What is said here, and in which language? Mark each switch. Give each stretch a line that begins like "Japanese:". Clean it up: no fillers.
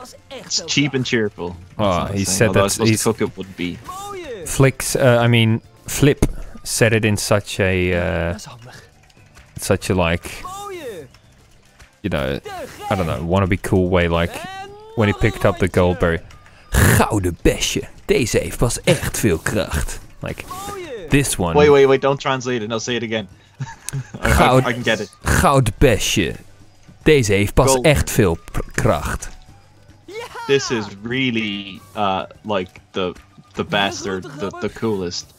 English: It's cheap and cheerful. Oh, he said that. Although I suppose to cook it would be. Flicks, Flip said it in such a. Such a, like. You know, I don't know, wannabe cool way, like. When he picked up the goldberry.
Dutch: Gouden besje, deze heeft pas echt veel kracht.
English: Like, this one. Wait, don't translate it, I'll say it again. I can get it.
Dutch: Gouden besje. Deze heeft pas echt veel kracht.
English: This is really, like, the best or the coolest.